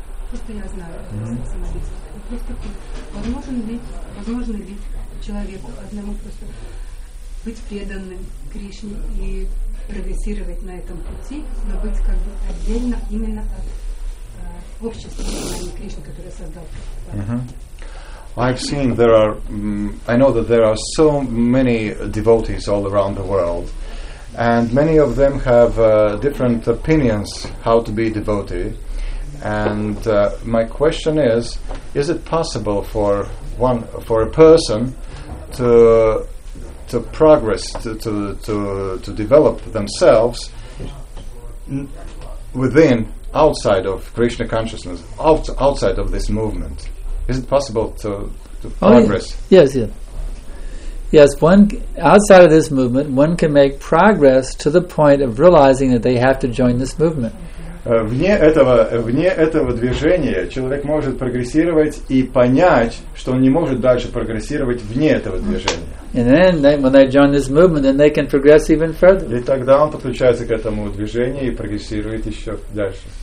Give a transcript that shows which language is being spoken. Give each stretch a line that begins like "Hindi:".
Russian: То, что я знаю, просто возможно ли человеку одному просто быть преданным Кришне и прогрессировать на этом пути, но быть как бы отдельно именно от общества сознания Кришны, которое создал.
English: I've seen there are, I know that there are so many devotees all around the world, and many of them have different opinions how to be a devotee. And my question is it possible for a person to progress, to develop themselves within, outside of Krishna consciousness, outside of this movement? Is it possible to progress? Yes. Yes, one outside of this movement, one can make progress to the point of realizing that they have to join this movement.
Russian: Вне этого движения человек может прогрессировать и понять, что он не может дальше прогрессировать вне этого движения.
English: And then, when they join this movement, then they can progress even further.
Russian: И тогда он подключается к этому движению и прогрессирует еще дальше.